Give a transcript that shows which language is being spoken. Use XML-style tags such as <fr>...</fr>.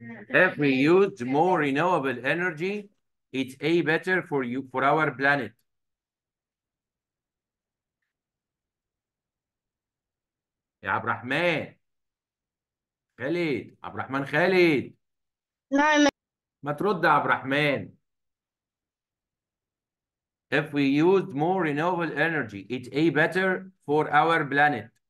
<en>Every used more renewable energy, it's a better for you for our planet.</en> <ar>يا عبد الرحمن خالد، عبد الرحمن خالد، نعم. ما ترد يا عبد الرحمن.</ar> <en>If we used more renewable energy, it's a better for our planet.</en>